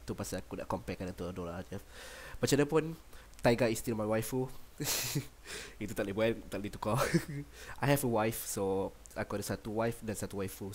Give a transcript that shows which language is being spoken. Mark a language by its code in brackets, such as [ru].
[ms] Tu pasal aku nak comparekan dengan Toradora je. Macam mana pun, [en] Taiga is still my waifu. [ms] Itu tak boleh buat, tak boleh tukar. [en] I have a wife. [ms] So aku ada satu wife dan satu waifu.